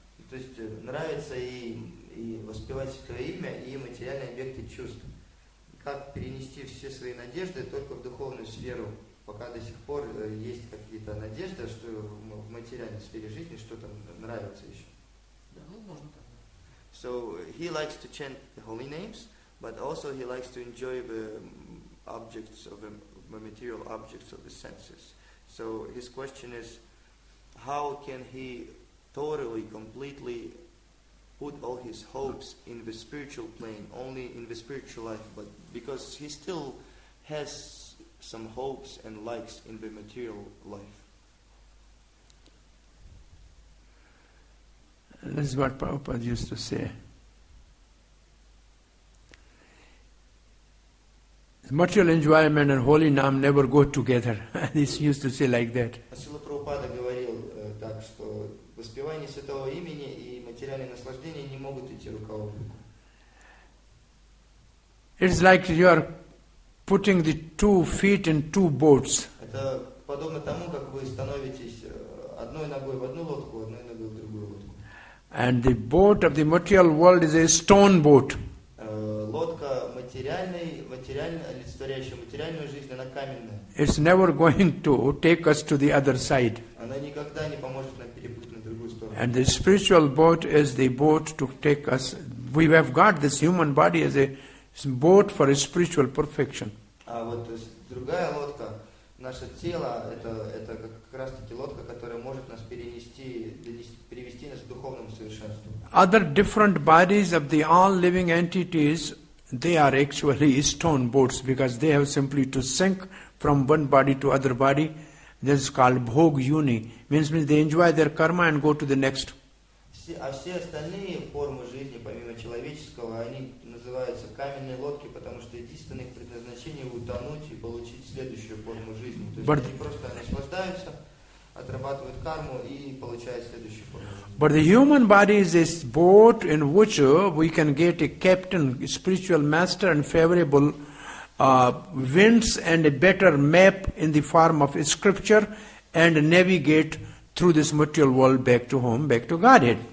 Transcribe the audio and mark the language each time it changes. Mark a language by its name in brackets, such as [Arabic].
[Russian] То есть нравится и воспевать свое имя, и материальные объекты чувств. Как перенести все свои надежды только в духовную сферу? Пока до сих пор есть какие-то надежды, что в материальной сфере жизни что-то нравится еще. Да, ну можно так. [English] So he likes to chant the holy names, but also he likes to enjoy the objects of the material objects of the senses. So his question is, how can he totally, completely put all his hopes in the spiritual plane, only in the spiritual life, but because he still has some hopes and likes in the material life. This is what Prabhupada used to say. Material enjoyment and holy name never go together. This used to say like that. [Russian] Шрила Прабхупада говорил так, что воспевание святого имени и материальное наслаждение не могут идти рука об руку. [English] It's like you are putting the two feet in two boats. [Russian] Это подобно тому, как вы становитесь одной ногой в одну лодку, одной ногой в другую лодку. [English] And the boat of the material world is a stone boat. [Russian] Лодка материальная, олицетворяющая материальную жизнь, она каменная. [English] It's never going to take us to the other side. [Russian] Она никогда не поможет нам перепутать на другую сторону. [English] And the spiritual boat is the boat to take us. We have got this human body as a boat for a spiritual perfection. [Russian] А вот другая лодка, наше тело, это как раз таки лодка, которая может нас перенести, привести нас к духовному совершенству. [English] Other different bodies of the all living entities, they are actually stone boats because they have simply to sink from one body to other body. This is called bhog yuni. Means they enjoy their karma and go to the next. [Russian] А все остальные формы жизни, помимо человеческого, они называются каменные лодки, потому что единственное их предназначение утонуть и получить следующую форму жизни. То есть они просто наслаждаются, отрабатывают карму и получают следующую форму жизни. [English] But the human body is this boat in which we can get a captain, a spiritual master and favorable winds and a better map in the form of a scripture and navigate through this material world back to home, back to Godhead.